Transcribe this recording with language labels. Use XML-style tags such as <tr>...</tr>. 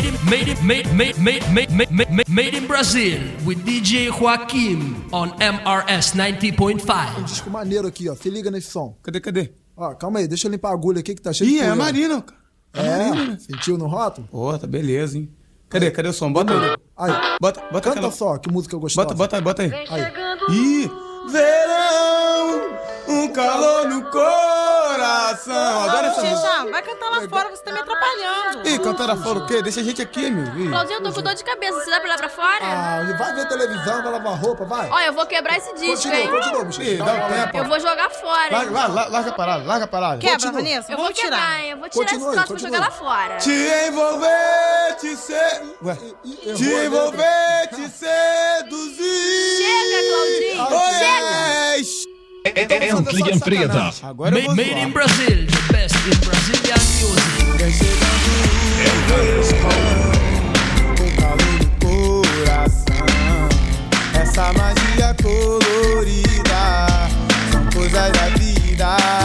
<en>Made in Brazil with DJ Joaquim on MRS 90.5.</en> <pt>Um disco maneiro aqui, ó. Se liga nesse som. Cadê? Ó, calma aí, deixa eu limpar a agulha aqui que tá cheio. Ih, é marino, cara. É, sentiu no rótulo? Pô, tá beleza, hein? Cadê o som? Bota aí. Aí. Bota canta aquela... só, que música eu gostava. Bota aí. Vem aí. Ih! Verão, um calor no coração. Adoro essa música. Vai cantar lá fora, você tá me atrapalhando. Ih, cantar lá fora o quê? Deixa a gente aqui, meu. Claudinho, eu tô com dor de cabeça. Você dá pra ir lá pra fora? Ah, vai ver televisão, vai lavar roupa, vai. Olha, eu vou quebrar esse disco, continua, hein? Continua, bicho. Dá um tempo. Eu vou jogar fora. Larga a parada. Quebra, continua. Vanessa. Eu vou tirar, esse plástico e jogar lá fora. Te envolver, te ser... Ué, te envolver, te seduzir. Chega, Claudinho. Oi, chega.</pt> <sv>Entligen Freda.</sv> <en>Made in Brazil, the best in Brazilian music.</en> <pt>Com calor no coração, essa magia colorida são coisas da vida.</pt>